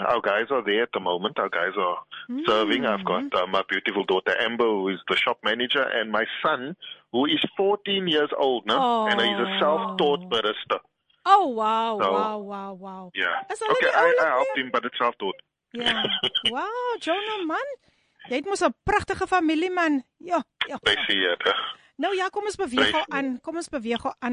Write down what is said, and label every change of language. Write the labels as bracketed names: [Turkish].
[English] Our guys are there at the moment. Our guys are serving. I've got my beautiful daughter Amber, who is the shop manager, and my son, who is 14 years old now, and he's a self-taught barista. Oh, wow. Yeah. Okay, I helped him, but it's self-taught. Yeah. Wow, Jona, man. [Afrikaans] Jy het mos 'n pragtige familie, man. Ja. [English] They see it. [Afrikaans] Nou ja, kom ons beweeg aan.